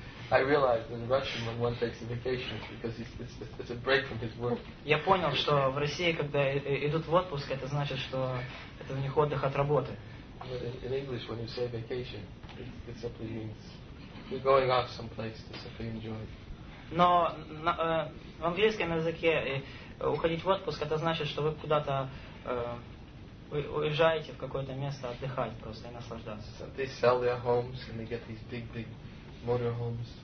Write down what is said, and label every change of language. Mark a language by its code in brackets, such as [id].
[en] I realized in Russian when one takes a vacation because it's a break from his work. [ru] Я понял, что в России, когда идут в отпуск, это значит, что это у них отдых от работы. [en] But in English, when you say vacation, it simply means you're going off someplace to simply enjoy. [ru] Но в английском языке уходить в отпуск это значит, что вы куда-то уезжаете в какое-то место отдыхать просто и наслаждаться. [en] So they sell their homes and they get these big motorhomes.